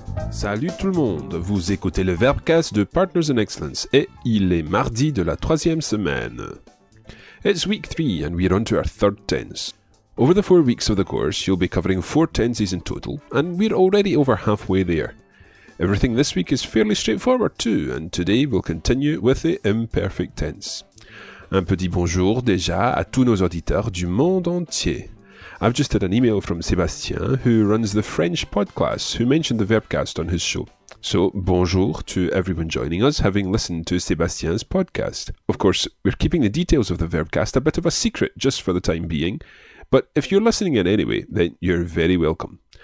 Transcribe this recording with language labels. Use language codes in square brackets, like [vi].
[fr] Salut tout le monde, vous écoutez le Verbcast de Partners in Excellence et il est mardi de la troisième semaine. [en] It's week 3 and we're on to our third tense. Over the 4 weeks of the course, you'll be covering 4 tenses in total and we're already over halfway there. Everything this week is fairly straightforward too and today we'll continue with the imperfect tense. [fr] Un petit bonjour déjà à tous nos auditeurs du monde entier. [en] I've just had an email from Sébastien, who runs the French podcast, who mentioned the Verbcast on his show. So, bonjour to everyone joining us, having listened to Sébastien's podcast. Of course, we're keeping the details of the Verbcast a bit of a secret just for the time being, but if you're listening in anyway, then you're very welcome.